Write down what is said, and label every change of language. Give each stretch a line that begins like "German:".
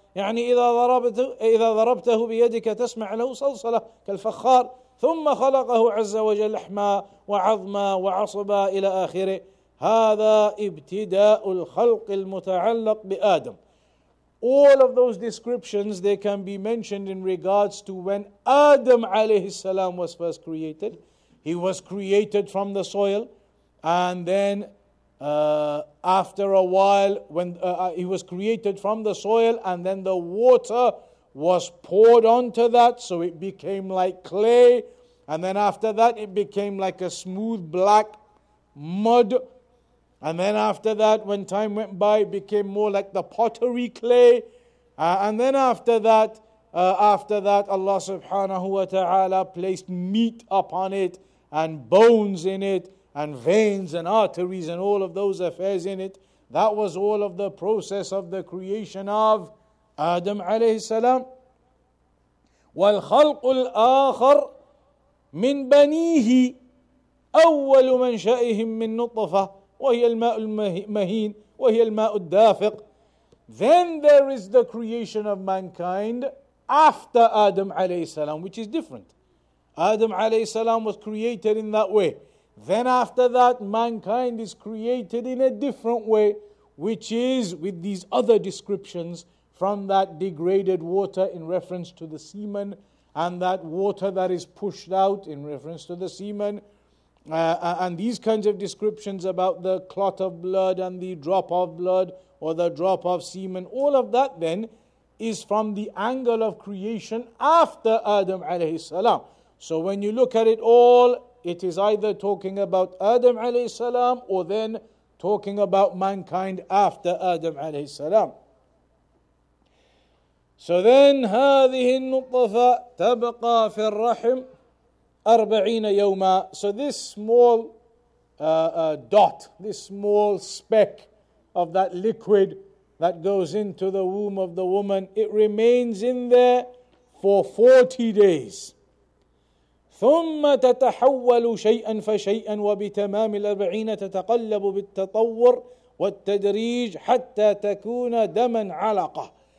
Arabic: يعني إذا ضربته بيدك تسمع له صلصلة كالفخار. ثُمَّ خَلَقَهُ عَزَّ وَجَلَّ لَحْمًا وَعَظْمًا وَعَصْبًا إِلَى آخِرِهِ. هذا ابتداء الخلق المتعلق بآدم.
English: All of those descriptions, they can be mentioned in regards to when Adam alayhi salam was first created. He was created from the soil, and then after a while, when he was created from the soil, and then the water was poured onto that, so it became like clay, and then after that it became like a smooth black mud. And then after that, when time went by, it became more like the pottery clay. And then after that, Allah subhanahu wa ta'ala placed meat upon it, and bones in it, and veins and arteries and all of those affairs in it. That was all of the process of the creation of Adam alayhi salam.
Arabic: وَالْخَلْقُ الْآخَرُ مِنْ بَنِيهِ أَوَّلُ مَنْشَئِهِمْ مِنْ نُطْفَةٍ وهي الماء المهين وهي الماء الدافق.
English: Then there is the creation of mankind after Adam alayhi salam, which is different. Adam alayhi salam was created in that way. Then after that, mankind is created in a different way, which is with these other descriptions from that degraded water in reference to the semen, and that water that is pushed out in reference to the semen. And these kinds of descriptions about the clot of blood and the drop of blood or the drop of semen, all of that then is from the angle of creation after Adam alayhi salam. So when you look at it all, it is either talking about Adam alayhi salam or then talking about mankind after Adam alayhi salam. So then,
Arabic: هذه النطفة تبقى في الرحم أَرْبَعِينَ يَوْمًا.
English: So this small dot, this small speck of that liquid that goes into the womb of the woman, it remains in there for 40 days.
Arabic: ثُمَّ تَتَحَوَّلُ شَيْئًا فَشَيْئًا وَبِتَمَامِ الْأَرْبَعِينَ تَتَقَلَّبُ بِالتَّطَوُّرِ وَالتَّدْرِيجِ حَتَّى تَكُونَ دَمًا عَلَقَةً.